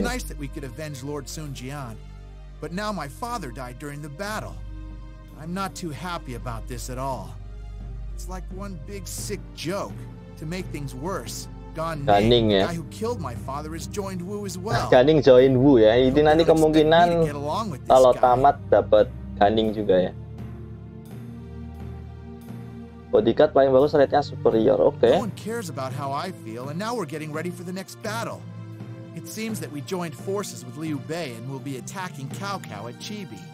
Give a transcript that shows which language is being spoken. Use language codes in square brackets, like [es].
[en] It was nice that we could avenge Lord Sun Jian, but now my father died during the battle. I'm not too happy about this at all. It's like one big sick joke to make things worse. [id] Ganing ya. Ganing join Wu ya. Ini nanti kemungkinan kalau tamat dapat Ganing juga ya. Bodyguard paling bagus rate-nya superior. Oke. [en] No one cares about how I feel and now we're getting ready for the next battle. It seems that we joined forces with Liu Bei and we'll be attacking Cao Cao at Chibi.